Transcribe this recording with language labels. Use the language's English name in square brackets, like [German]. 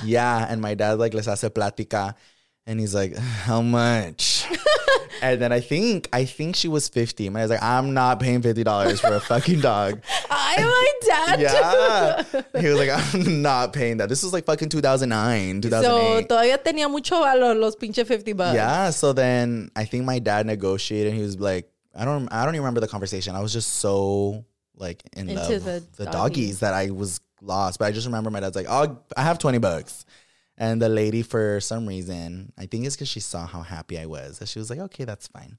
[English] Yeah, and my dad, like, [Spanish] les hace plática. [English] And he's like, how much? And then I think she was 50. And I was like, I'm not paying $50 for a fucking dog. My dad. He was like, I'm not paying that. This was like fucking 2009, 2008. [Spanish] So, todavía tenía mucho valor los pinche 50 bucks. [English] Yeah. So then I think my dad negotiated. He was like, I don't even remember the conversation. I was just so like into the doggies that I was lost. But I just remember my dad's like, oh, I have 20 bucks. And the lady, for some reason, I think it's because she saw how happy I was. So she was like, okay, that's fine.